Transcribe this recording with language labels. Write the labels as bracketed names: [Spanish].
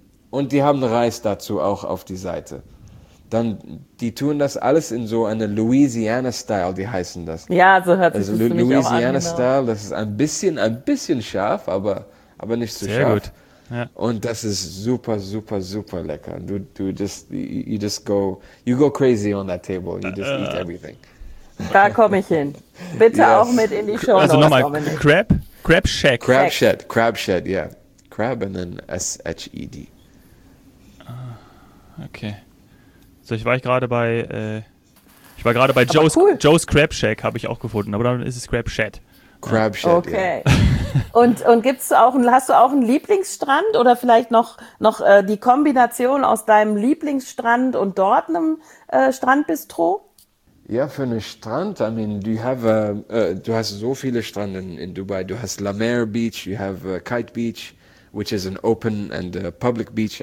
[German] Und die haben Reis dazu auch auf die Seite. Dann, die tun das alles in so eine Louisiana-Style, die heißen das. Ja, so hört sich das für mich auch an. Louisiana-Style, das ist ein bisschen scharf, aber nicht so scharf. Sehr gut. Ja. Und das ist super, super, super lecker. [English] You go crazy on that table. You just eat everything. [German] Da komme ich hin. Bitte yes. Auch mit in die Show. Also nochmal, Crab? Crab Shack. [English] Crab Shed. Crab Shed, yeah. Crab and then S-H-E-D. Okay. [German] So, ich war gerade bei Joe's, cool. Joe's Crab Shack, habe ich auch gefunden. Aber dann ist es Crab Shed. Crab Shed, okay. Yeah. Und hast du auch einen Lieblingsstrand oder vielleicht noch die Kombination aus deinem Lieblingsstrand und dort einem Strandbistro? Ja, für einen Strand, [English] I mean, [German] du hast so viele Strände in Dubai. Du hast [English] La Mer Beach, you have Kite Beach, which is an open and public beach.